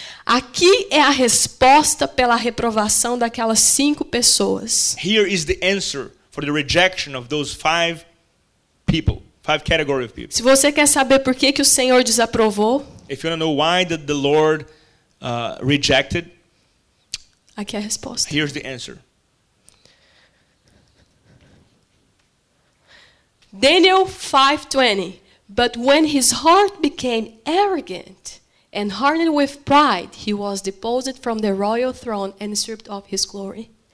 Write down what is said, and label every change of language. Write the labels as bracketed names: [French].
[Portuguese] Aqui é a resposta pela reprovação daquelas cinco pessoas. [English] Here is the answer for the rejection of those five people. Five categories of people. [Portuguese] Se você quer saber por que o Senhor desaprovou, [English] if you want to know why did the Lord rejected, [Portuguese] aqui é a resposta. [English] Here's the answer. Daniel 5:20. But when his heart became arrogant and hardened with pride, he was deposed from the royal throne and stripped of his glory.